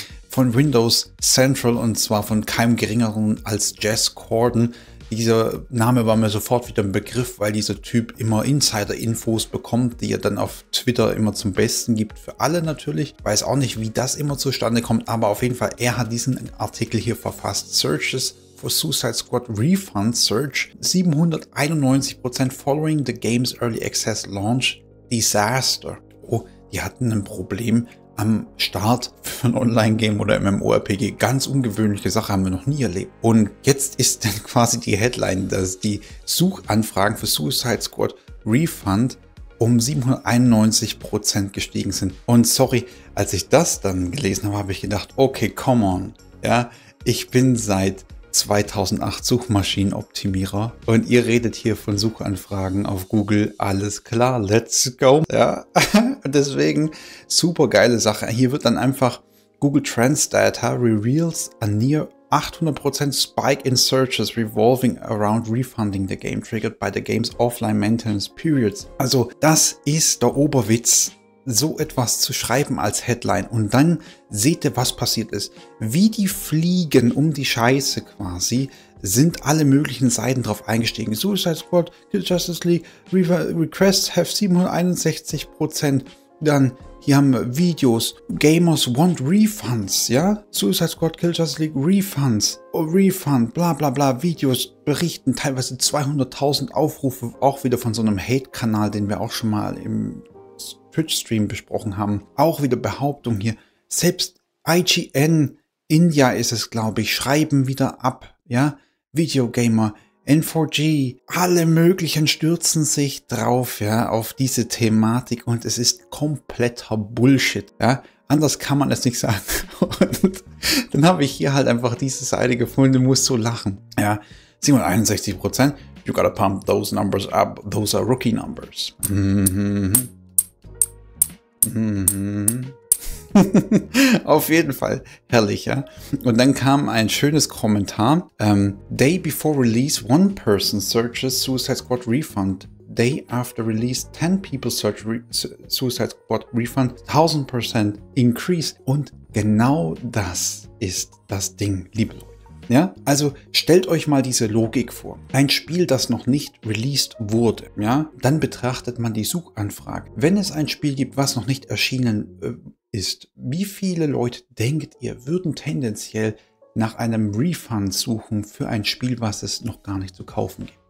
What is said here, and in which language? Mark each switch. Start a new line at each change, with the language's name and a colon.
German: Von Windows Central, und zwar von keinem geringeren als Jess Corden. Dieser Name war mir sofort wieder ein Begriff, weil dieser Typ immer Insider-Infos bekommt, die er dann auf Twitter immer zum Besten gibt. Für alle natürlich. Weiß auch nicht, wie das immer zustande kommt, aber auf jeden Fall, er hat diesen Artikel hier verfasst.
English: Searches for Suicide Squad Refund Search. 791% following the game's early access launch disaster.
German: Oh, die hatten ein Problem am Start für ein Online-Game oder MMORPG. Ganz ungewöhnliche Sache, haben wir noch nie erlebt. Und jetzt ist dann quasi die Headline, dass die Suchanfragen für Suicide Squad Refund um 791% gestiegen sind. Und sorry, als ich das dann gelesen habe, habe ich gedacht, okay,
English: come on.
German: Ja, ich bin seit 2008 Suchmaschinenoptimierer und ihr redet hier von Suchanfragen auf Google, alles klar,
English: let's go.
German: Ja, deswegen super geile Sache. Hier wird dann einfach
English: Google Trends Data reveals a near 800% spike in searches revolving around refunding the game triggered by the game's offline maintenance periods.
German: Also das ist der Oberwitz, so etwas zu schreiben als Headline. Und dann seht ihr, was passiert ist. Wie die Fliegen um die Scheiße quasi, sind alle möglichen Seiten drauf eingestiegen.
English: Suicide Squad, Justice League, Requests have 761%.
German: Dann hier haben wir Videos,
English: Gamers want refunds,
German: ja? Suicide Squad, Kill Justice League, Refunds, Refund, bla bla bla, Videos, Berichten, teilweise 200.000 Aufrufe, auch wieder von so einem Hate-Kanal, den wir auch schon mal im Twitch-Stream besprochen haben. Auch wieder Behauptung hier. Selbst IGN India ist es, glaube ich, schreiben wieder ab. Ja, Videogamer, N4G, alle möglichen stürzen sich drauf, ja, auf diese Thematik, und es ist kompletter Bullshit. Ja, anders kann man es nicht sagen. Und dann habe ich hier halt einfach diese Seite gefunden, muss so lachen. Ja, 761%.
English: You gotta pump those numbers up. Those are rookie numbers.
German: Auf jeden Fall herrlich, ja. Und dann kam ein schönes Kommentar.
English: Day before release, one person searches Suicide Squad Refund. Day after release, 10 people search Suicide Squad Refund. 1000% increase.
German: Und genau das ist das Ding, liebe Leute. Ja, also stellt euch mal diese Logik vor. Ein Spiel, das noch nicht released wurde, ja, dann betrachtet man die Suchanfrage. Wenn es ein Spiel gibt, was noch nicht erschienen ist, wie viele Leute, denkt ihr, würden tendenziell nach einem Refund suchen für ein Spiel, was es noch gar nicht zu kaufen gibt?